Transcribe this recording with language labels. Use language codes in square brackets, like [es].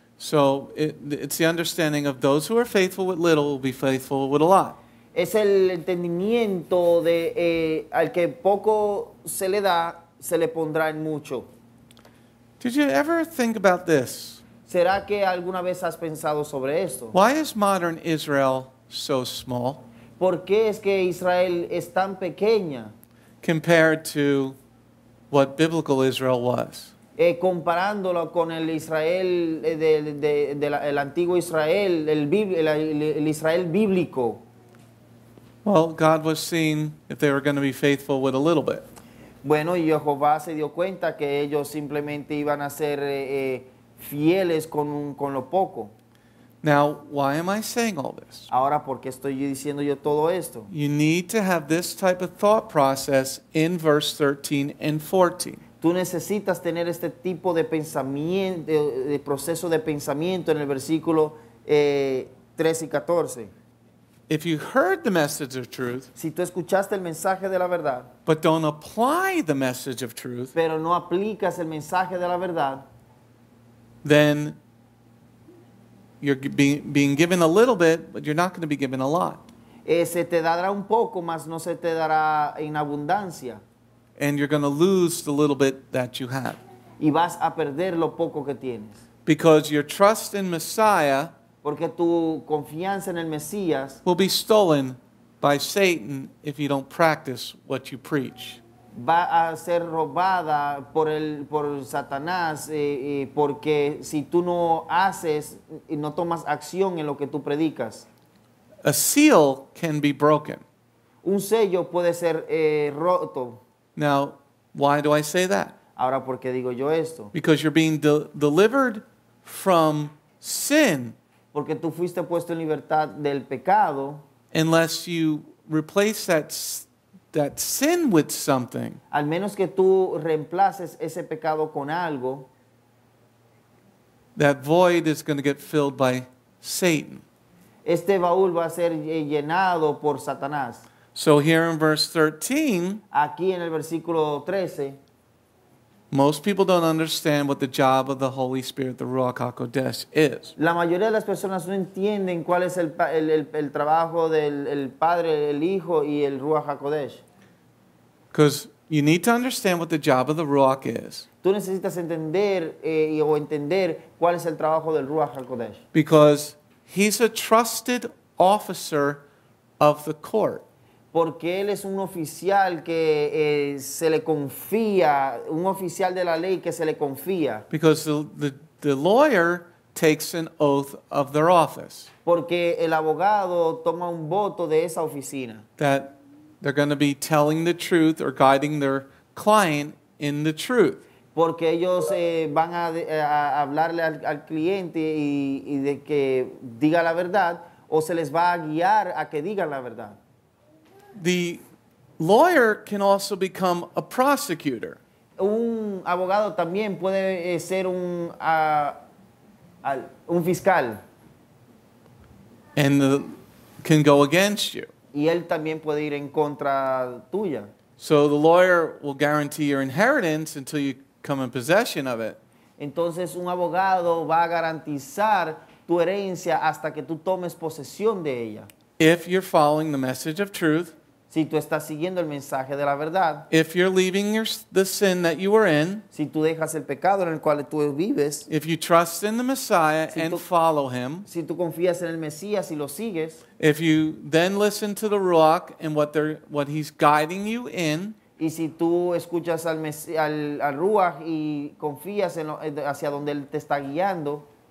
[en] So it's the understanding of those who are faithful with little will be faithful with a lot. [es] Es el entendimiento de al que poco se le da, se le pondrá en mucho. [en] Did you ever think about this? [es] ¿Será que alguna vez has pensado sobre esto? [en] Why is modern Israel so small? [es] ¿Por qué es que Israel es tan pequeña? [en] Compared to what biblical Israel was. [es] Comparándolo con el Israel del antiguo Israel, el Israel bíblico. [en] Well, God was seeing if they were going to be faithful with a little bit. [es] Bueno, y Jehová se dio cuenta que ellos simplemente iban a ser fieles con lo poco. [en] Now, why am I saying all this? [es] Ahora, ¿por qué estoy diciendo yo todo esto? [en] You need to have this type of thought process in verse 13 and 14. [es] Tú necesitas tener este tipo de pensamiento, de proceso de pensamiento en el versículo 13 y 14. [en] If you heard the message of truth, [es] si tú escuchaste el mensaje de la verdad, [en] but don't apply the message of truth, [es] pero no aplicas el mensaje de la verdad, [en] then you're being given a little bit, but you're not going to be given a lot. [es] Se te dará un poco, mas no se te dará en abundancia. [en] And you're going to lose the little bit that you have. [es] Y vas a perder lo poco que tienes. [en] Because your trust in Messiah, [es] porque tu confianza en el Mesías, [en] will be stolen by Satan if you don't practice what you preach. [es] Va a ser robada por Satanás porque si tú no haces y no tomas acción en lo que tú predicas. [en] A seal can be broken. [es] Un sello puede ser roto. [en] Now, why do I say that? [es] Ahora, ¿por qué digo yo esto? [en] Because you're being delivered from sin. [es] Porque tú fuiste puesto en libertad del pecado. [en] Unless you replace that sin with something. [es] Al menos que tú reemplaces ese pecado con algo. [en] That void is going to get filled by Satan. [es] Este baúl va a ser llenado por Satanás. [en] So here in verse 13, [es] aquí en el versículo 13, [en] most people don't understand what the job of the Holy Spirit, the Ruach HaKodesh, is. [es] La mayoría de las personas no entienden cuál es el trabajo del el Padre, el Hijo y el Ruach HaKodesh. [en] Because you need to understand what the job of the Ruach is. [es] Tú necesitas entender o entender cuál es el trabajo del Ruach HaKodesh. [en] Because he's a trusted officer of the court. [es] Porque él es un oficial que se le confía, un oficial de la ley que se le confía. [en] Because the lawyer takes an oath of their office. [es] Porque el abogado toma un voto de esa oficina. [en] That they're going to be telling the truth or guiding their client in the truth. [es] Porque ellos van a hablarle al cliente y de que diga la verdad o se les va a guiar a que digan la verdad. [en] The lawyer can also become a prosecutor. [es] Un abogado también puede ser un fiscal. [en] And can go against you. [es] Y él también puede ir en contra tuya. [en] So the lawyer will guarantee your inheritance until you come in possession of it. [es] Entonces un abogado va a garantizar tu herencia hasta que tú tomes posesión de ella. [en] If you're following the message of truth, [es] si tú estás siguiendo el mensaje de la verdad, [en] if you're leaving the sin that you were in, [es] si tú dejas el pecado en el cual tú vives, [en] if you trust in the Messiah [es] si [en] and follow him, [es] si tú confías en el Mesías y lo sigues, [en] if you then listen to the Ruach and what he's guiding you in, [es] y si tú escuchas al Ruach y confías en hacia donde él te está guiando,